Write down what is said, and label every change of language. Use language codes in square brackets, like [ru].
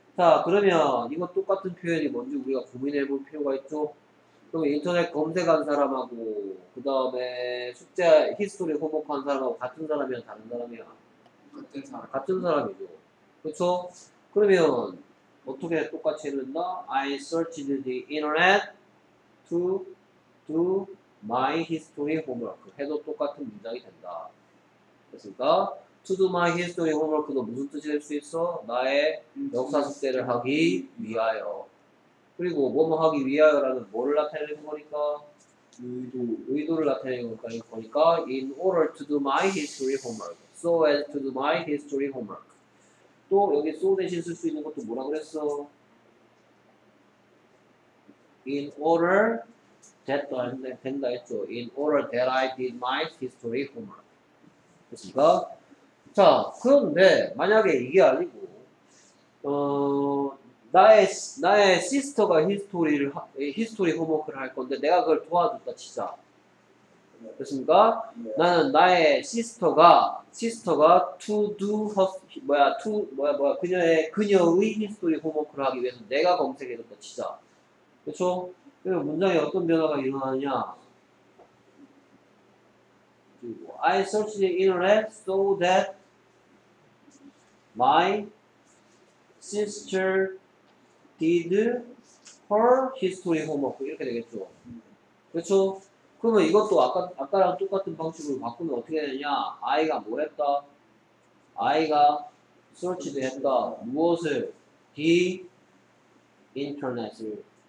[ko] 자 그러면 이거 똑같은 표현이 뭔지 우리가 고민해 볼 필요가 있죠. 그럼 인터넷 검색한 사람하고 그 다음에 숙제 히스토리 호복한 사람하고 같은 사람이면 다른 사람이야? 같은 사람이죠. 그렇죠? 그러면 어떻게 똑같이 해놓나? [en] I searched the internet to do my history homework. [ko] 해도 똑같은 문장이 된다. 됐습니까? [en] To do my history homework [ko] 도 무슨 뜻이 될 수 있어? 나의 역사 숙제를 하기 위하여. 그리고 뭐뭐 하기 위하여라는 뭐를 나타내는 거니까? 의도를 나타내는 거니까 [en] in order to do my history homework. So as to do my history homework. [ko] 또 여기 so 대신 쓸 수 있는 것도 뭐라 그랬어? [en] In order that [ko] 된다 했죠. [en] In order that I did my history homework. [ko] 됐습니까? 자 그런데 만약에 이게 아니고 나의 시스터가 히스토리 홈워크를 할 건데 내가 그걸 도와줬다 치자. 됐습니까? 네. 나는 나의 시스터가 [en] to do her, [ko] 뭐야 to 뭐야 그녀의 히스토리 홈워크를 하기 위해서 내가 검색해줬다 치자. 그렇죠? 그럼 문장에 어떤 변화가 일어나느냐? [en] I searched the internet so that my sister did her history homework [ko] 이렇게 되겠죠. 그렇죠? 그러면 이것도 아까랑 똑같은 방식으로 바꾸면 어떻게 되냐? I가 뭘 했다? I가 searched 했다. 무엇을? [en] The internet을.